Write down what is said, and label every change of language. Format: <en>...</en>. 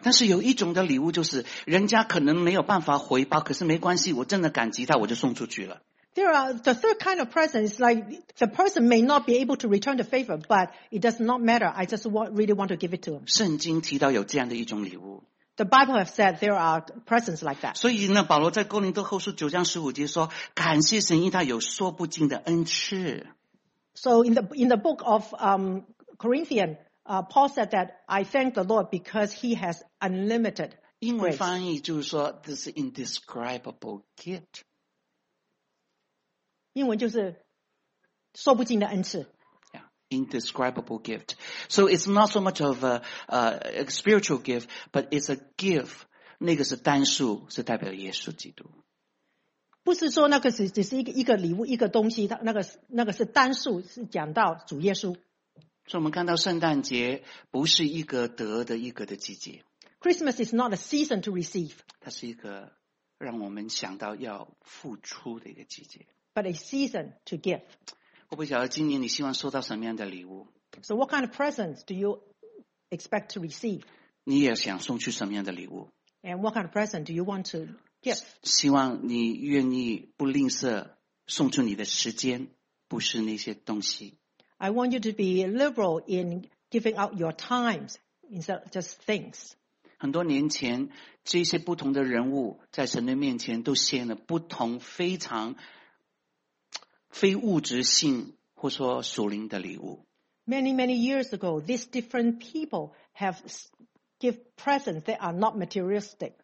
<zh>但是有一种的礼物就是，人家可能没有办法回报，可是没关系，我真的感激他，我就送出去了。</zh> <en>There are the third kind of present is like the person may not be able to return the favor, but it does not matter. I just really want to give it to him.</en> <zh>圣经提到有这样的一种礼物。</zh> <en>The Bible have said there are presents like that.</en> <zh>所以呢，保罗在哥林多后书九章十五节说：“感谢神，因他有说不尽的恩赐。”</zh> <en>So in the book of Corinthians, Paul said that I thank the Lord because He has unlimited grace.</en> <zh>英文翻译就是说 ，</zh> <en>this indescribable gift.</en> <zh>英文就是说不尽的恩赐。</zh> <en>Yeah, indescribable gift. So it's not so much of a spiritual gift, but it's a gift</en> <zh>那个是单数，是代表耶稣基督。不是说那个是只是一个礼物一个东西，那个是单数，是讲到主耶稣。所以我们看到圣诞节不是一个得的一个的季节。</zh> <en>Christmas is not a season to receive.</en> <zh>它是一个让我们想到要付出的一个季节。</zh> <en>But a season to give.</en> <zh>我不晓得今年你希望收到什么样的礼物。</zh> <en>So what kind of presents do you expect to receive?</en> <zh>你也想送去什么样的礼物？</zh> <en>And what kind of present do you want to give?</en> <zh>希望你愿意不吝啬送出你的时间，不是那些东西。</zh> <en>I want you to be liberal in giving out your times instead of just things.</en> <zh>很多年前，这些不同的人物在神的面前都献了不同非常非物质性或说属灵的礼物。</zh> <en>Many, many years ago, these different people have give presents that are not materialistic.</en>